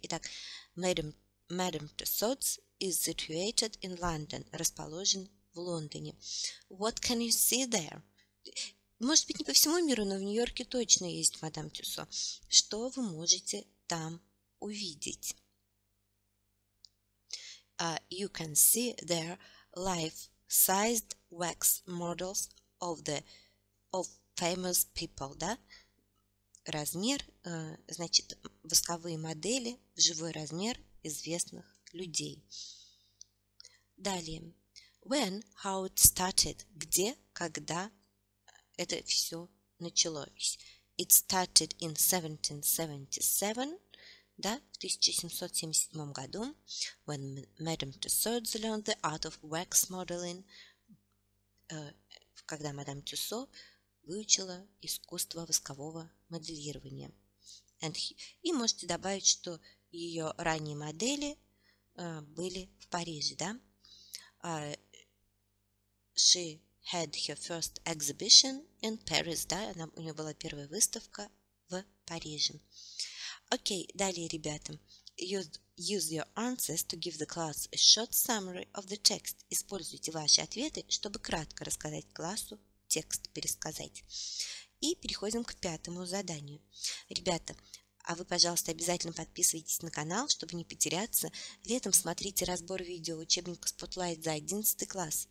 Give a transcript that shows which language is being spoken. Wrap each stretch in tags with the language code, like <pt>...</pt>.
<en>Итак, Madame Tussauds is situated in London,</en> <ru>расположен в Лондоне.</ru> <en>What can you see there?</en> <ru>Может быть, не по всему миру, но в Нью-Йорке точно есть Madame Tussauds. Что вы можете там увидеть?</ru> <en>You can see there life-sized wax models of the of famous people, да?</en> <ru>Размер, значит, восковые модели в живой размер известных людей.</ru> <en>Далее. When, how it started.</en> <ru>Где, когда это все началось.</ru> <en>It started in 1777,</en> <ru>да, в 1777 году,</ru> <en>when Madame Tussauds learned the art of wax modeling,</en> <ru>когда Madame Tussauds выучила искусство воскового моделирования. И можете добавить, что ее ранние модели были в Париже, да?</ru> <en>She had her first exhibition in Paris, да?</en> <ru>У нее была первая выставка в Париже. Окей, далее, ребята.</ru> <en>Use your answers to give the class a short summary of the text.</en> <ru>Используйте ваши ответы, чтобы кратко рассказать классу текст, пересказать. И переходим к пятому заданию. Ребята, а вы, пожалуйста, обязательно подписывайтесь на канал, чтобы не потеряться. Летом смотрите разбор видео учебника Spotlight за 11 класс.</ru>